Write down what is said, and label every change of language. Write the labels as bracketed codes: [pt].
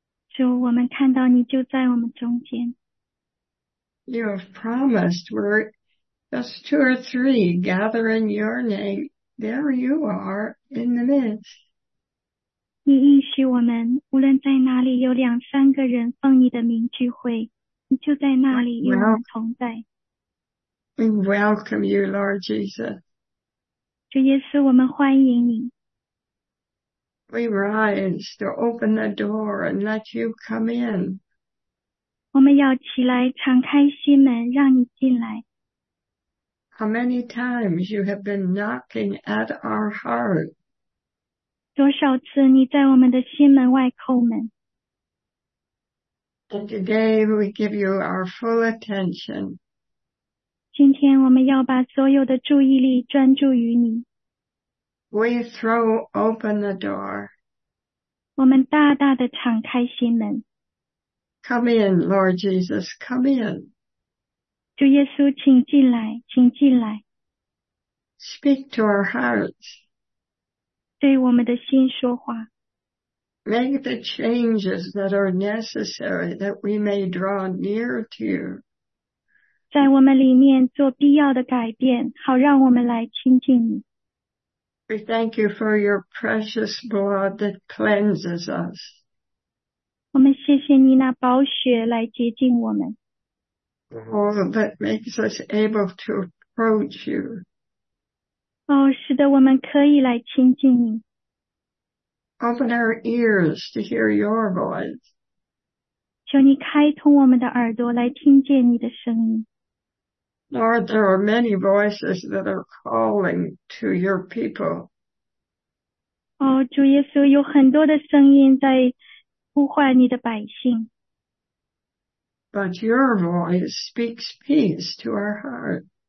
[zh] 主，我们看到你就在我们中间。 [en] You have promised we're just two or three gather in your name. There you are in the midst. [zh] 你允许我们，无论在哪里，有两三个人奉你的名聚会，你就在那里与我们同在。 [en] We welcome you, Lord Jesus. [zh] 主耶稣，我们欢迎你。 [en] We rise to open the door and let you come in. [zh] 我们要起来，敞开心门，让你进来。 [en] How many times you have been knocking at our heart? [zh] 多少次你在我们的心门外叩门？ [en] And today we give you our full attention. [zh] 今天我们要把所有的注意力专注于你。 [en] We throw open the door. [zh] 我们大大的敞开心门。 [en] Come in, Lord Jesus, come in. [zh] 主耶稣，请进来，请进来， [en] Speak to our hearts. [zh] 对我们的心说话。 [en] Make the changes that are necessary that we may draw near to you. [zh] 在我们里面做必要的改变，好让我们来亲近你。 [en] We thank you for your precious blood that cleanses us. [zh] 我们谢谢你那宝血来洁净我们。 [en] All that makes us able to approach you. [zh] 哦，是的，我们可以来亲近你。 [en] Open our ears to hear your voice. [zh] 求你开通我们的耳朵，来听见你的声音。 [en] Lord, there are many voices that are calling to your people. [zh] 哦，主耶稣，有很多的声音在呼唤你的百姓。 [en] But your voice speaks peace to our heart.